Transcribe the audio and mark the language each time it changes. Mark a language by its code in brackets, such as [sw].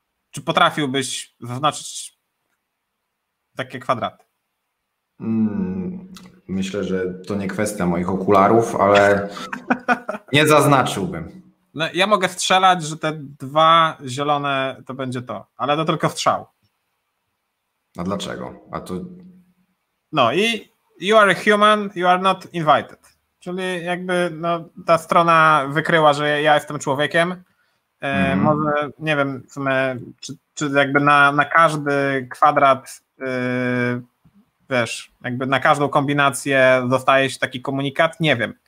[pl] Czy potrafiłbyś zaznaczyć takie kwadraty? Myślę, że to nie kwestia moich okularów, ale nie zaznaczyłbym. No, ja mogę strzelać, że te dwa zielone to będzie to, ale to tylko strzał. A dlaczego? A to... No i [en] you are a human, you are not invited. [pl] Czyli jakby no, ta strona wykryła, że ja jestem człowiekiem. Może, nie wiem, w sumie, czy jakby na każdy kwadrat, wiesz, jakby na każdą kombinację dostaje się taki komunikat, nie wiem.